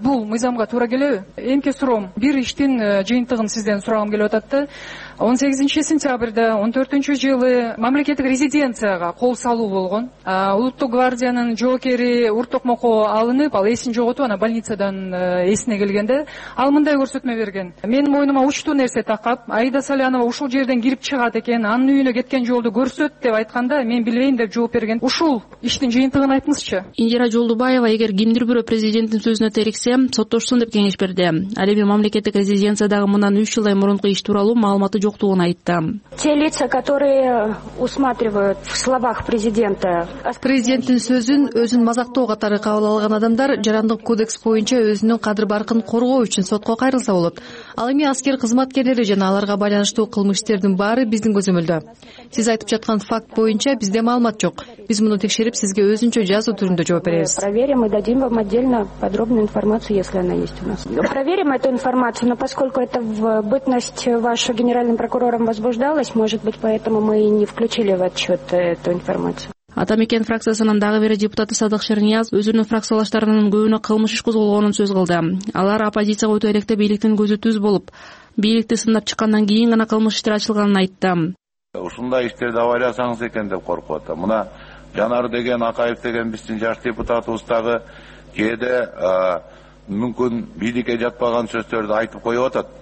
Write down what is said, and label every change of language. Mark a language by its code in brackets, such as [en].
[ky] Бул мыйзамга туура келеби? Эмки суроом, бир иштин жыйынтыгын сизден сурагым келип атат да 18 сентябрда 2014-жылы мамлекеттик резиденцияга кол салуу болгон, улуттук гвардиянын жоокери уртокмоко алынып, ал эсин жоготуп анан больницадан эсине келгенде ал мындай көрсөтмө берген: менин мойнума учтуу нерсе такап, Аида Салянова ушул жерден кирип чыгат экен, анын үйүнө кеткен жолду көрсөт деп айтканда мен билбейм деп жооп берген. Ушул иштин жыйынтыгын айтыңызчы. Индира Жолдубаева эгер кимдир бирөө президенттин сөзүнө терексе соттошсун деп кеңеш берди. Ал эми мамлекеттик резиденциядагы мындан 3 жылдай мурунку иш тууралуу маалымат жоктугун айтты. [ru] Те лица, которые усматривают в словах президента. [ky] Президенттин сөзүн өзүн мазактоо катары кабыл алган адамдар жарандык кодекс боюнча өзүнүн кадыр баркын коргоо үчүн сотко кайрылса болот. Ал эми аскер кызматкерлери жана аларга байланыштуу кылмыштардын баары биздин көзөмөлдө. Сиз айтып жаткан факт боюнча бизде маалымат жок. Биз муну текшерип сизге өзүнчө жазуу түрүндө жооп беребиз. [ru] Проверим и дадим вам отдельно подробную информацию, если она есть у нас. Проверим эту информацию, но поскольку это в бытность вашу генеральным прокурором возбуждалось, может быть, поэтому мы и не включили в отчет эту информацию. [ky] Атамекен фракциясынын дагы бир депутаты Садык Шырнияз өзүнүн фракциялаштарынын көбүнө кылмыш иш козголгонун сөз кылды. Алар оппозицияга өтө электе бийликтин көзү түз болуп, бийликти сындап чыккандан кийин гана кылмыш иштер ачылганын айтты. Ушундай иштерди аваласаңыз экен деп коркуп атам. Мына Жанар деген, Акаев деген биздин жаш депутатыбыз дагы кээде мүмкүн бийликке жатпаган сөздөрдү айтып коюп атат.